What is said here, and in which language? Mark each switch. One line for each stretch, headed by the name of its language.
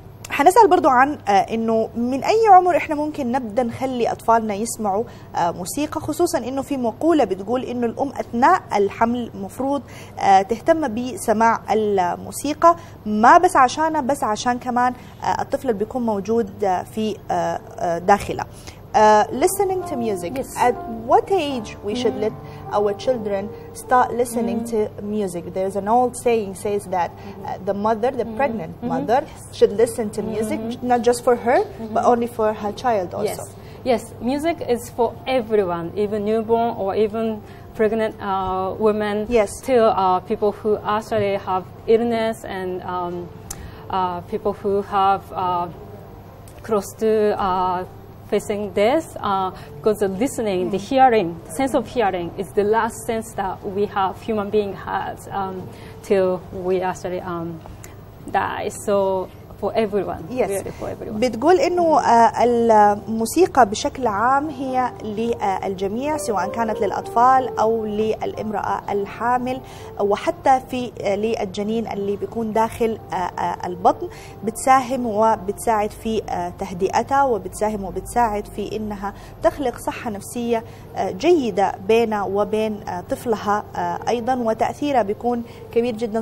Arabic: حنسأل برضو عن إنه من أي عمر إحنا ممكن نبدأ نخلي أطفالنا يسمعوا موسيقى، خصوصا إنه في مقولة بتقول إنه الأم أثناء الحمل مفروض تهتم بسماع الموسيقى، ما بس عشانها بس عشان كمان الطفل اللي بيكون موجود في داخلها.
English: Listening to music. Yes. At what age we should let our children start listening to music? There's an old saying says that the mother, the pregnant mother, should listen to music not just for her, but only for her child also. Yes. Yes. Music is for everyone, even newborn or even pregnant women. Yes. Till people who actually have illness and people who have close to facing this, because the listening, the hearing, the sense of hearing is the last sense that we have, human being has, till we actually die. So for everyone, yes. Really for everyone.
Arabic: بتقول إنه الموسيقى بشكل عام هي للجميع، سواء كانت للأطفال أو للإمرأة الحامل، وحتى في للجنين اللي بيكون داخل البطن، بتساهم وبتساعد في تهدئتها، وبتساهم وبتساعد في إنها تخلق صحة نفسية جيدة بينها وبين طفلها أيضا، وتأثيرها بيكون كبير جدا.